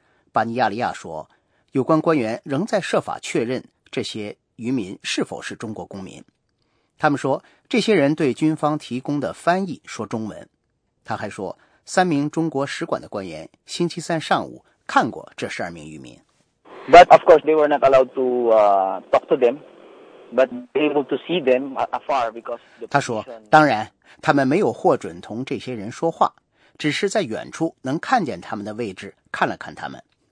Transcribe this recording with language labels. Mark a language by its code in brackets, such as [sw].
[zh] 巴尼亚利亚说，有关官员仍在设法确认这些渔民是否是中国公民。他们说，这些人对军方提供的翻译说中文。他还说，三名中国使馆的官员星期三上午看过这12名渔民。 [en] But of course they were not allowed to talk to them, but able to see them afar because. [zh] 他说，当然，他们没有获准同这些人说话，只是在远处能看见他们的位置，看了看他们。